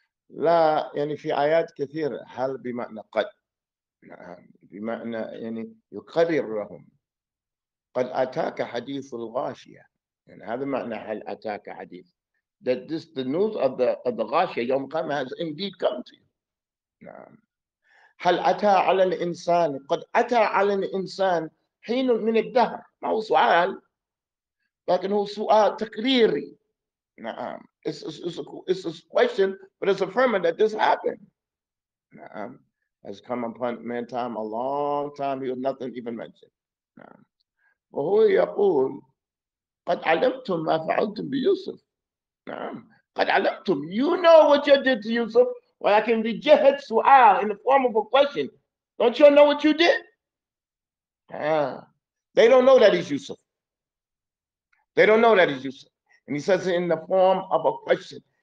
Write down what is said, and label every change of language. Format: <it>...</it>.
<ar>لا يعني في آيات كثيرة هل بمعنى قد. نعم. بمعنى يعني يقرر لهم. قد أتاك حديث الغاشية. يعني هذا معنى هل أتاك حديث.</ar> <en>That this the news of the غاشية</en> <ar>يوم قام</ar> <en>has indeed come to you.</en> <ar>نعم. هل أتى على الإنسان؟ قد أتى على الإنسان حين من الدهر. ما هو سؤال، لكن هو سؤال تقريري. نعم.</ar> <en>It's a question, but it's affirming that this happened.</en> <ar>نعم.</ar> <en>Has come upon man time a long time. He was nothing even mentioned.</en> <ar>نعم. وهو يقول قد علمتم ما فعلتم بيوسف. نعم. قد علمتم.</ar> <en>You know what you did to Yusuf.</en> <ar>ولكن بجهة سؤال</ar> <en>in the form of a question. Don't you know what you did? They don't know that he's Yusuf. They don't know that he's Yusuf. And he says it in the form of a question.</en>